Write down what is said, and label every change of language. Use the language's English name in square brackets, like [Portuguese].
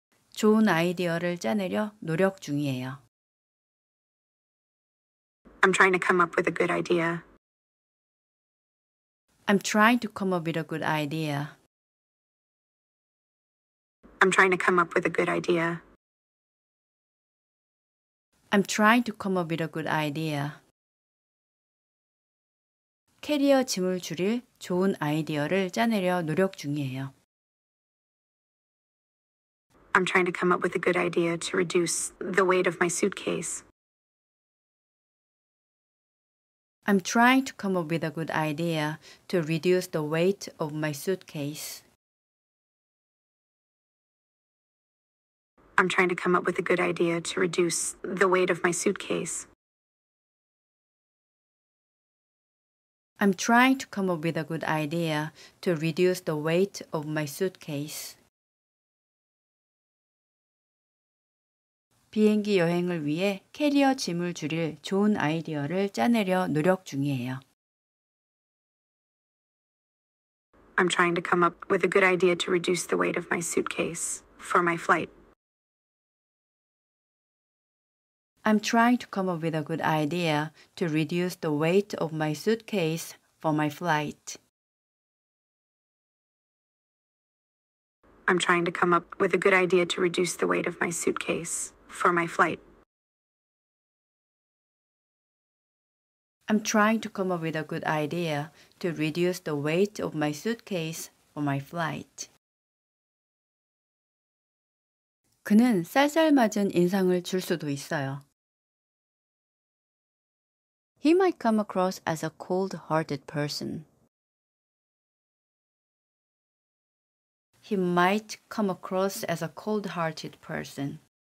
[Korean] 좋은 아이디어를 짜내려 노력 중이에요. [English] I'm trying to come up with a good idea. I'm trying to come up with a good idea. I'm trying to come up with a good idea. I'm trying to come up with a good idea. [Korean] 캐리어 짐을 줄일 좋은 아이디어를 짜내려 노력 중이에요. [English] I'm trying to come up with a good idea to reduce the weight of my suitcase. I'm trying to come up with a good idea to reduce the weight of my suitcase. I'm trying to come up with a good idea to reduce the weight of my suitcase. I'm trying to come up with a good idea to reduce the weight of my suitcase. [Korean] 비행기 여행을 위해 캐리어 짐을 줄일 좋은 아이디어를 짜내려 노력 중이에요. [English] I'm trying to come up with a good idea to reduce the weight of my suitcase for my flight. I'm trying to come up with a good idea to reduce the weight of my suitcase for my flight. I'm trying to come up with a good idea to reduce the weight of my suitcase for my flight. I'm trying to come up with a good idea to reduce the weight of my suitcase on my flight. [Korean] 그는 쌀쌀맞은 인상을 줄 수도 있어요. [English] He might come across as a cold-hearted person. He might come across as a cold-hearted person.